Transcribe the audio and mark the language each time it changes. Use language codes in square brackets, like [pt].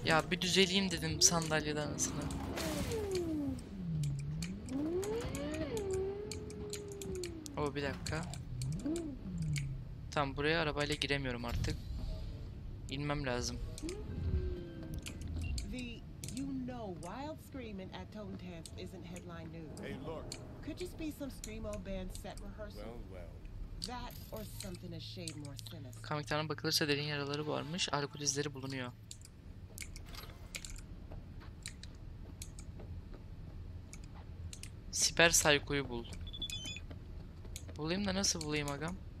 [tr] Bir düzeleyim dedim sandalyeden aslında. O bir dakika. Tamam, buraya arabayla giremiyorum artık. İnmem lazım. [en] The you know wild screaming at Tone Test isn't headline news. Hey, look. Could just be some screamo band set rehearsal. Well, well. That or something a shade more sinister. [tr] Kamiklerine bakılırsa derin yaraları varmış. Alkol izleri bulunuyor. Siper Psycho'yu bul. Bulayım da nasıl bulayım agam?